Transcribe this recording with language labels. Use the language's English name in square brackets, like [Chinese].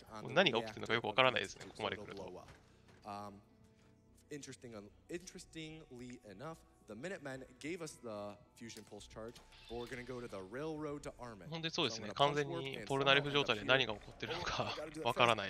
[Japanese] 何が起きてるのかよくわからないですね、ここまで来ると。 [English] Interestingly enough, the Minutemen gave us the fusion pulse charge, but we're gonna go to the railroad to arm it. [Japanese] 本当にそうですね。完全にポルナレフ状態で何が起こってるのかわからない。